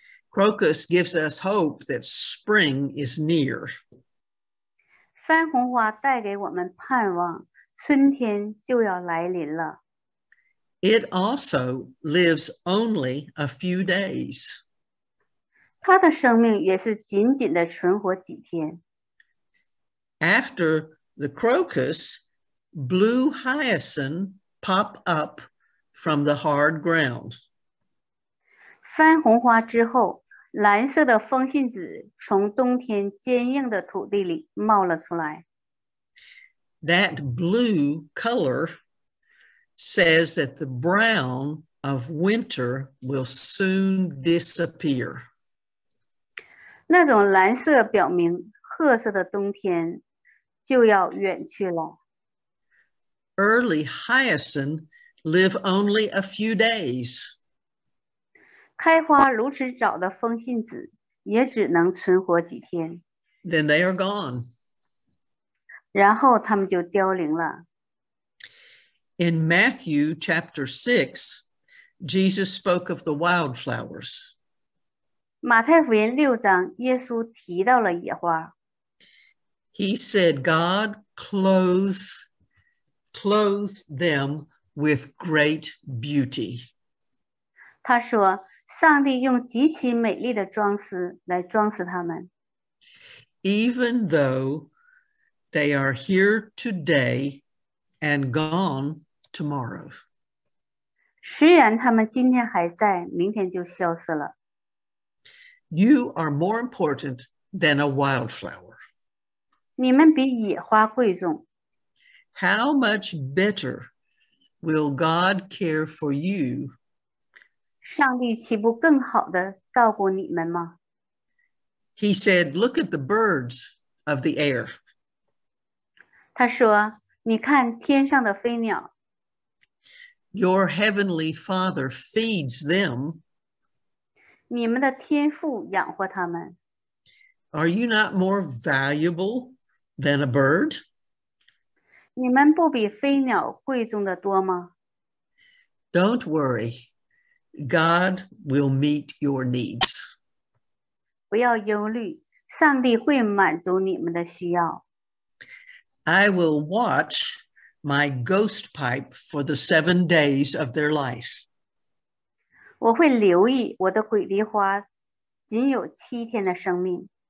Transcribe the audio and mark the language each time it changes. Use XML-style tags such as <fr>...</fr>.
<en>Crocus gives us hope that spring is near.</en> <zh>番红花带给我们盼望，春天就要来临了。</zh> <en>It also lives only a few days.</en> <zh>它的生命也是仅仅的存活几天。</zh> <en>After the crocus, blue hyacinth pop up from the hard ground.</en> <zh>番红花之后，蓝色的风信子从冬天坚硬的土地里冒了出来。</zh> <en>That blue color says that the brown of winter will soon disappear.</en> <zh>那种蓝色表明褐色的冬天就要远去了。</zh> <en>Early hyacinth live only a few days.</en> <zh>开花如此早的风信子也只能存活几天。</zh> <en>Then they are gone.</en> <zh>然后他们就凋零了。</zh> <en>In Matthew chapter 6, Jesus spoke of the wildflowers.</en> <zh>马太福音六章，耶稣提到了野花。</zh> <en>He said, God clothes them with great beauty.</en> <zh>他说，上帝用极其美丽的装饰来装饰他们。</zh> <en>Even though they are here today and gone tomorrow.</en> <zh>虽然他们今天还在，明天就消失了。</zh> <en>You are more important than a wildflower.</en> <zh>你们比野花贵重。</zh> <en>How much better will God care for you?</en> <zh>上帝岂不更好地照顾你们吗？</zh> <en>He said, look at the birds of the air.</en> <zh>他说，你看天上的飞鸟。</zh> <en>Your heavenly Father feeds them.</en> <zh>你们的天父养活他们。</zh> <en>Are you not more valuable than a bird?</en> <zh>你们不比飞鸟贵重的多吗？</zh> <en>Don't worry. God will meet your needs.</en> <zh>不要忧虑，上帝会满足你们的需要。</zh> <en>I will watch my ghost pipe for the 7 days of their life.</en> <zh>我会留意我的鬼梨花仅有七天的生命。</zh>